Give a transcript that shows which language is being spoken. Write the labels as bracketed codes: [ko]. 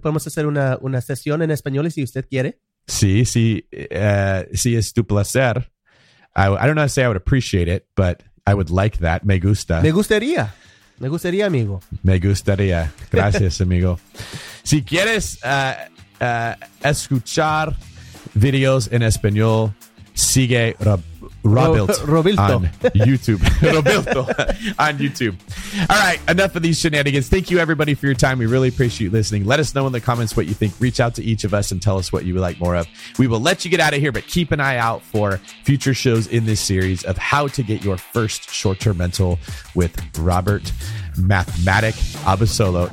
[es] Podemos hacer una sesión en español si usted quiere. Sí, sí. Sí, es tu placer. [en] I don't know how to say I would appreciate it, but I would like that. [es] Me gusta. Me gustaría, amigo. Me gustaría. Gracias, amigo. Si quieres escuchar videos en español, sigue Robilto [en] on YouTube. Robilto on YouTube. All right. Enough of these shenanigans. Thank you, everybody, for your time. We really appreciate you listening. Let us know in the comments what you think. Reach out to each of us and tell us what you would like more of. We will let you get out of here, but keep an eye out for future shows in this series of how to get your first short-term rental with Robert Mathematic Abasolo.